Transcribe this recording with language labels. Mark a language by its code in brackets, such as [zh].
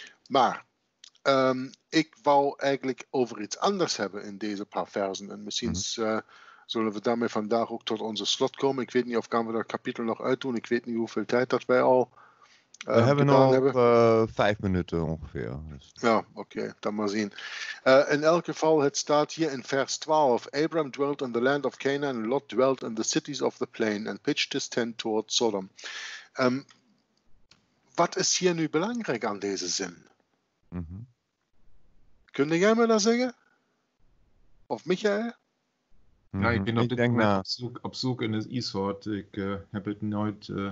[nl] Maar ik wou eigenlijk over iets anders hebben in deze paar versen. En misschien zullen we daarmee vandaag ook tot onze slot komen. Ik weet niet of gaan we dat kapitel nog uitdoen. Ik weet niet hoeveel tijd dat wij al... We hebben nog 5 minuten ongeveer. Dus. Ja, oké, dan maar zien. In elk geval, het staat hier in vers 12. [en] Abraham dwelt in the land of Canaan, and Lot dwelt in the cities of the plain, and pitched his tent toward Sodom. [nl] Wat is hier nu belangrijk aan deze zin? Mm-hmm. Kun jij me dat zeggen? Of Michael? Mm-hmm. Ja, ik ben op zoek in het IJswoord. Ik heb het nooit...